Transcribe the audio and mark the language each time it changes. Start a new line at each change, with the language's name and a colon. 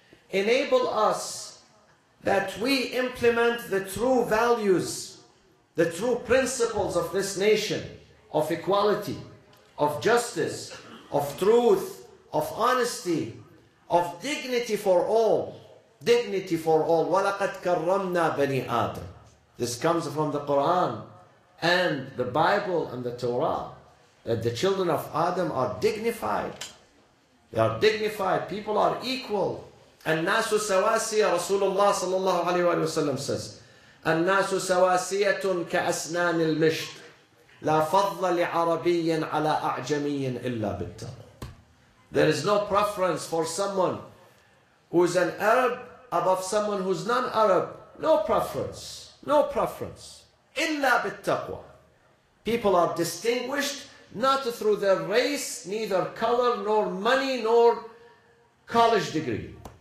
English: enable us that we implement the true values, the true principles of this nation, of equality, of justice, of truth, of honesty, of dignity for all. Dignity for all.
Arabic: وَلَقَدْ كَرَّمْنَا بَنِي آدَمَ.
English: This comes from the Quran and the Bible and the Torah. That the children of Adam are dignified. They are dignified. People are equal.
Arabic: النَّاسُ سَوَاسِيَ رَسُولُ اللَّهِ صَلَى اللَّهُ عَلَيْهِ وَسَلَّمَ
English: says,
Arabic: الناس سواسية كأسنان المشط لا فضل لعربي على أعجمي إلا بالتقوى.
English: There is no preference for someone who is an Arab above someone who is non-Arab. No preference. No preference.
Arabic: إلا بالتقوى.
English: People are distinguished not through their race, neither color, nor money, nor college degree.